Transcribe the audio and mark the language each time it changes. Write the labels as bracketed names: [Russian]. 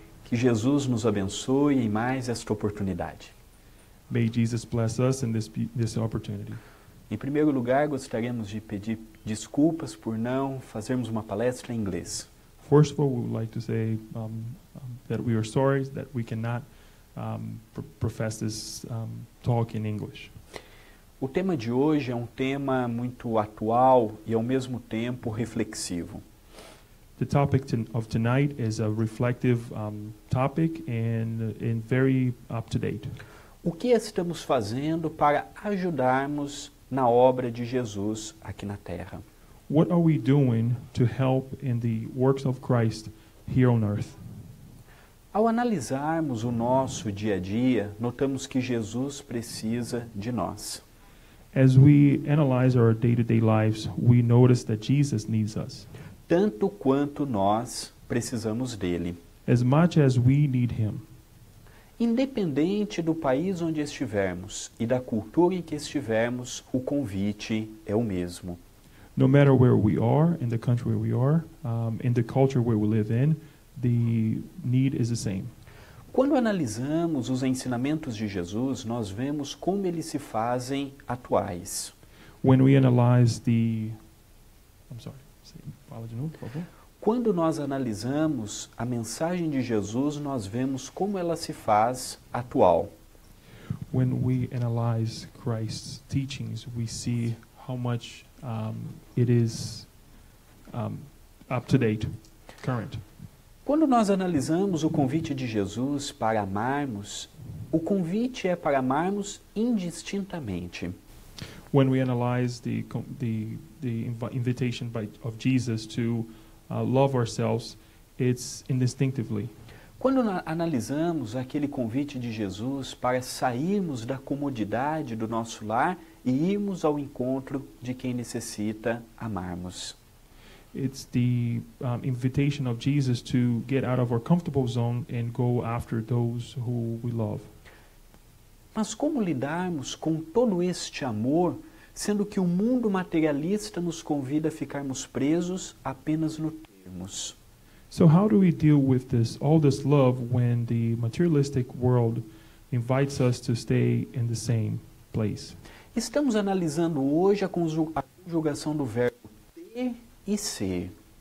[Portuguese] Que Jesus nos abençoe em mais esta oportunidade. [English] May Jesus bless us in this opportunity. [Portuguese] Em primeiro lugar, gostaríamos de pedir desculpas por não fazermos uma palestra em inglês. [English] First of all, we would like to say that we are sorry that we cannot profess this talk in English. [Portuguese] O tema de hoje é um tema muito atual e, ao mesmo tempo, reflexivo. [English] The topic of tonight is a reflective topic and very up-to-date. [Portuguese] O que estamos fazendo para ajudarmos na obra de Jesus aqui na Terra? [English] What are we doing to help in the works of Christ here on Earth? [Portuguese] Ao analisarmos o nosso dia a dia, notamos que Jesus precisa de nós. [English] As we analyze our day-to-day lives, we notice that Jesus needs us. [Portuguese] Tanto quanto nós precisamos dele. [English] As much as we need him. [Portuguese] Independente do país onde estivermos e da cultura em que estivermos, o convite é o mesmo. [English] No matter where we are, in the country where we are, in the culture where we live in, the need is the same. [Portuguese] Quando analisamos os ensinamentos de Jesus, nós vemos como eles se fazem atuais. [English] When we analyze the... I'm sorry, [Portuguese] fala de novo, por favor. Quando nós analisamos a mensagem de Jesus, nós vemos como ela se faz atual. [English] When we analyze Christ's teachings, we see how much it is up to date, current. [Portuguese] Quando nós analisamos o convite de Jesus para amarmos, o convite é para amarmos indistintamente. [English] When we analyze the invitation of Jesus to love ourselves, it's indistinctively. [Portuguese] Quando analisamos aquele convite de Jesus para sairmos da comodidade do nosso lar e irmos ao encontro de quem necessita amarmos. [English] It's the invitation of Jesus to get out of our comfortable zone and go after those who we love. [Portuguese] Mas como lidarmos com todo este amor sendo que o mundo materialista nos convida a ficarmos presos apenas no termos. [English] So how do we deal with this, all this love, when the materialistic world invites us to stay in the same place? [Portuguese] Estamos analisando hoje a conjugação do verbo ter e ser.